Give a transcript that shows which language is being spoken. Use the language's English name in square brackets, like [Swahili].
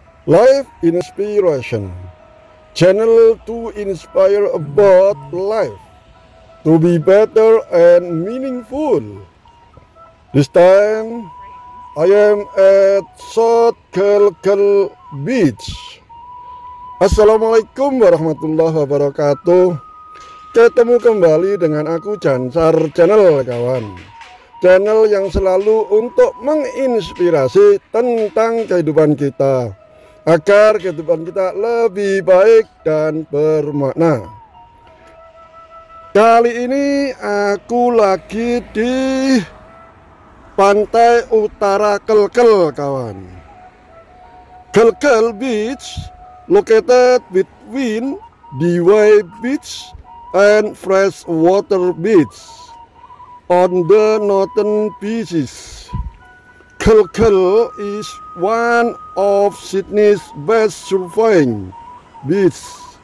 [English] Life inspiration. Channel to inspire about life to be better and meaningful. This time I am at South Kelkel Beach. [Arabic] Assalamualaikum warahmatullahi wabarakatuh. [Indonesian] Ketemu kembali dengan aku Jansar Channel, kawan. Channel yang selalu untuk menginspirasi tentang kehidupan kita agar kehidupan kita lebih baik dan bermakna. Kali ini aku lagi di pantai utara Kelkel, kawan. [English] Kelkel Beach located between Dewey Beach and Freshwater Beach on the northern beaches. Kelkel is one of Sydney's best surfing beaches.